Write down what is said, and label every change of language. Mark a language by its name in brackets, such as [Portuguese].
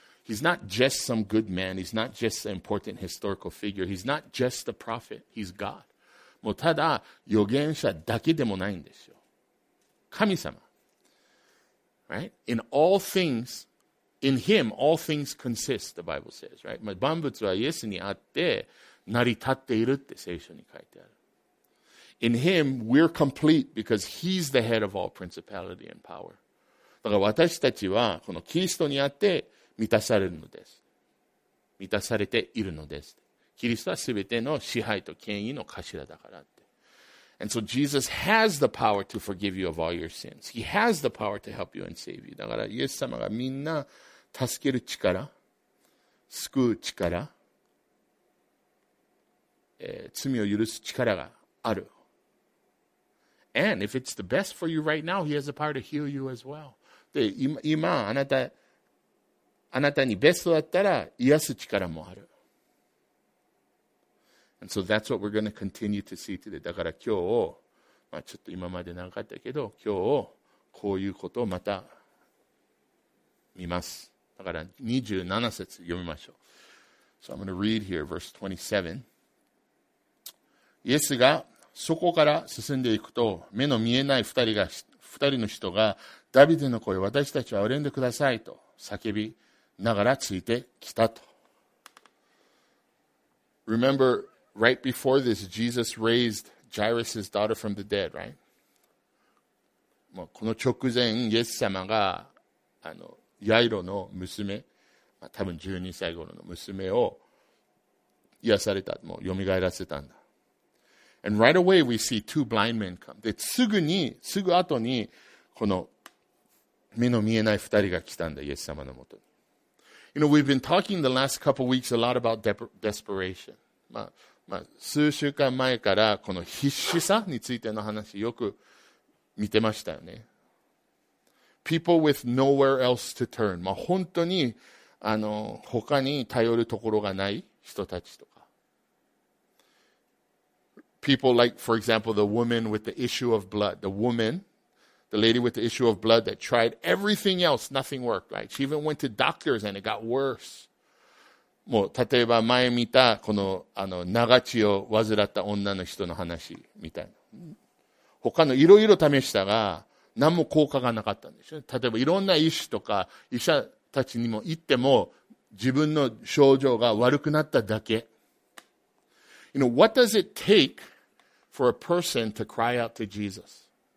[English] He's not just some good man He's not just an important historical figure He's not just a prophet He's God [Japanese] もうただ預言者だけでもないんでしょう神様 [English] Right? In all thingsIn him, all things consist, the Bible says, right? [Japanese] 万物はイエスにあって成り立っているって聖書に書いてある。 [English] In him, we're complete because he's the head of all principality and power. [Japanese] だから私たちはこのキリストにあって満たされるのです。満たされているのです。キリストはすべての支配と権威の頭だからって。 [English] And so Jesus has the power to forgive you of all your sins. He has the power to help you and save you. [Japanese] だからイエス様がみんな助ける力、救う力、罪を許す力がある。 [English] And if it's the best for you right now, he has the power to heal you as well. [Japanese] で、今、あなたにベストだったら癒す力もある。 [English] And so that's what we're going to continue to see today. [Japanese] だから今日、まあ、ちょっと今まで長かったけど、今日、こういうことをまた見ます。だから27節読みましょう。 [English] So I'm going to read here, verse 27. [Japanese] イエスがそこから進んでいくと、目の見えない二人の人が、ダビデの声、私たちは憐れんでくださいと叫びながらついてきたと。 [English] Remember, right before this, Jesus raised Jairus' daughter from the dead, right? [Japanese] もうこの直前、イエス様が、ヤイロの娘、まあ、多分12歳頃の娘を癒された、もう蘇らせたんだ。 [English] And right away we see two blind men come. [Japanese] で、すぐ後に、この、目の見えない二人が来たんだ、イエス様のもとに。 [English] You know, we've been talking the last couple of weeks a lot about desperation. [Japanese] まあ、数週間前から、この必死さについての話、よく見てましたよね。 [English] People with nowhere else to turn. [Japanese] まあ、本当に、他に頼るところがない人たちとか。 [English] People like, for example, the woman with the issue of blood. The lady with the issue of blood that tried everything else, nothing worked, right? She even went to doctors and it got worse. [Japanese] もう、例えば前見たこの、長血を患った女の人の話みたいな。他のいろいろ試したが、何も効果がなかったんでしょ。例えばいろんな医師とか、医者たちにも行っても、自分の症状が悪くなっただけ。 [English] You know, what does it take for a person to cry out to Jesus?